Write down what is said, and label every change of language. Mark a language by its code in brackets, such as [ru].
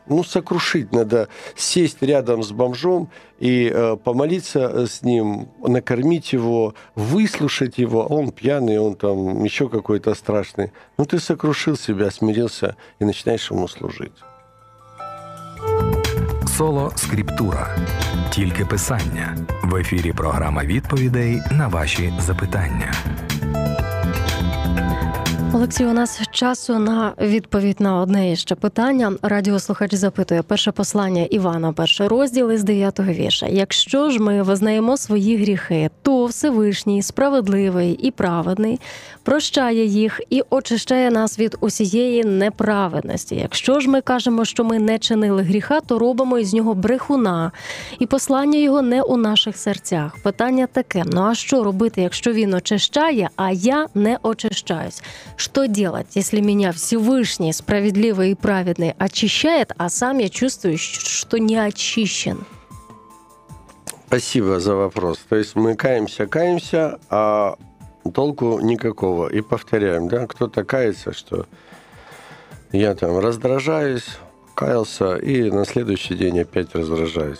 [ru] Ну, сокрушить, надо сесть рядом с бомжом и помолиться с ним, накормить его, выслушать его. Он пьяный, он там еще какой-то страшный. Ну, ты сокрушил себя, смирился и начинаешь ему служить. [uk] Соло скриптура. Тільки писання. В ефірі програма відповідей на ваші запитання. Олексій, у нас часу на відповідь на одне ще питання. Радіослухач запитує. Перше послання Івана, перше розділ із 9-го вірша. Якщо ж ми визнаємо свої гріхи, то Всевишній, справедливий і праведний, прощає їх і очищає нас від усієї неправедності. Якщо ж ми кажемо, що ми не чинили гріха, то робимо із нього брехуна. І послання його не у наших серцях. Питання таке. Ну а що робити, якщо він очищає, а я не очищаюсь? [ru] Что делать, если меня Всевышний, справедливый и праведный, очищает, а сам я чувствую, что не очищен? Спасибо за вопрос. То есть мы каемся, а толку никакого. И повторяем, да, кто-то кается, что я там раздражаюсь, каялся, и на следующий день опять раздражаюсь.